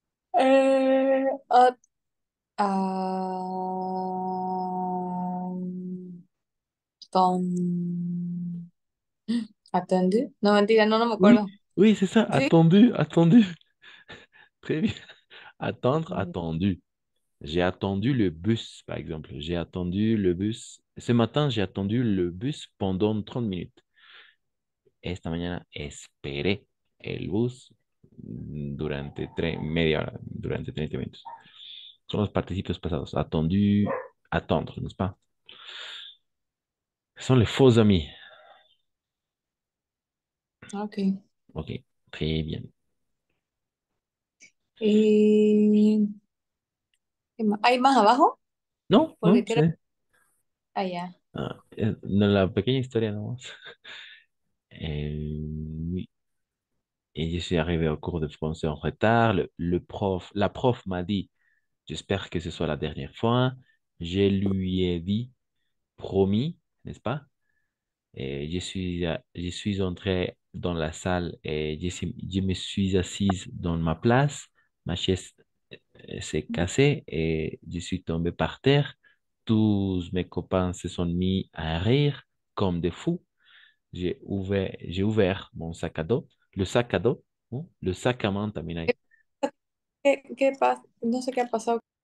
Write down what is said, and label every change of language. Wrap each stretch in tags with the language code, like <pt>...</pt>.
<es>Attendu. No, mentira, no, no me</es> <fr>Oui,</fr> <es>acuerdo.</es> <fr>c'est ça.</fr> <es>Sí.</es> <fr>Attendu. Très bien. Attendre, attendu. J'ai attendu le bus, par exemple. J'ai attendu le bus. Ce matin, j'ai attendu le bus pendant 30 minutes.</fr> <es>Esta mañana esperé el bus durante media hora, durante 30 minutos. Son los participios pasados.</es> <fr>Attendu, attendre, n'est-ce pas? Son les faux amis. Okay. Ok, très bien.</fr> <es>¿Y hay más abajo? No, Porque creo sí. allá. Ah, no, la pequeña historia nomás.</es> <fr>Et je suis arrivé au cours de français en retard. La prof m'a dit, j'espère que ce soit la dernière fois. Je lui ai dit, promis, n'est-ce pas? Et je suis entré dans la salle et je me suis assise dans ma place. Ma chaise s'est cassée et je suis tombé par terre. Tous mes copains se sont mis à rire comme des fous. J'ai ouvert mon sac à dos, le sac à dos, hein? Le sac à main</fr> <es>también hay. ¿Qué pasa? No sé qué ha pasado.</es>